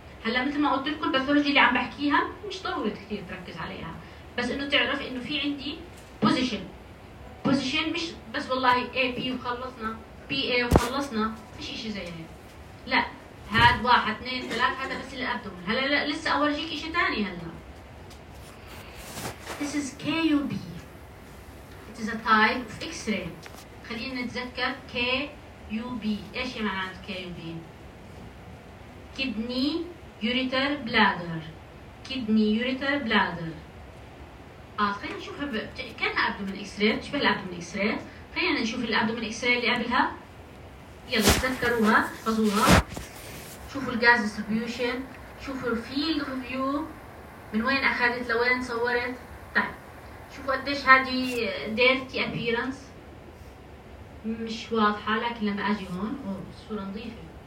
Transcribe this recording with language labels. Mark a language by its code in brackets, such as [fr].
[ar] هلا مثل ما قلت لكم الباثولوجي اللي عم بحكيها مش ضروري كثير تركز عليها، بس انه تعرف انه في عندي بوزيشن، بوزيشن مش بس والله اي بي وخلصنا، بي اي وخلصنا، مش شيء زي هيك. لا هذا واحد اثنين ثلاث، هذا بس الابدومين. هلا لسه اورجيك شيء ثاني. [en] هلا This is KUB. It is a type of X-ray. [ar] خلينا نتذكر KUB. إيش معناته KUB؟ [en] Kidney Ureter Bladder. Kidney Ureter Bladder. [ar] خلينا نشوفها كأنها أبدومين X-ray. شبه الأبدومين X-ray. خلينا نشوف الأبدومين X-ray اللي قبلها. يلا تذكروها، احفظوها. شوفوا الغاز distribution. شوفوا الفيلد أوف فيو. من وين أخذت لوين صورت. شوفوا قديش هذه ديرتي ابييرنس، مش واضحه، لكن لما اجي هون الصوره نظيفه.